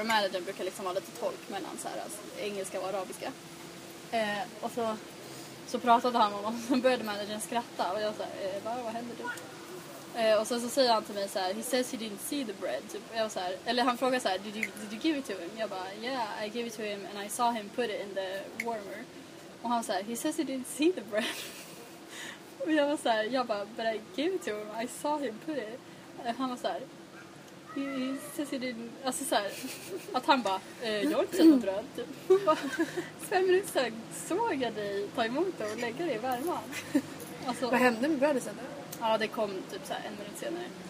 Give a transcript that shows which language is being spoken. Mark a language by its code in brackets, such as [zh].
[sv] Och managern brukar liksom vara lite tolk mellan så här, alltså, engelska och arabiska. Och så pratade han om honom. Och så började managern skratta. Och jag så här, vad händer du? Och sen så säger han till mig så här, he says he didn't see the bread. Typ. Jag var så här, eller han frågar så här, did you give it to him? [en] Jag bara, yeah, I gave it to him and I saw him put it in the warmer. Och han säger, he says he didn't see the bread. Och jag var så här, jag bara, but I gave it to him, I saw him put it. [sv] Han var så här, he says he didn't, alltså så här, att han bara, jag har inte sett något bröd. Typ. Så 5 minuter så här, såg jag dig ta emot det och lägga det i värmen. Alltså, vad hände med brödet sen då? Ja, det kom typ så här 1 minut senare.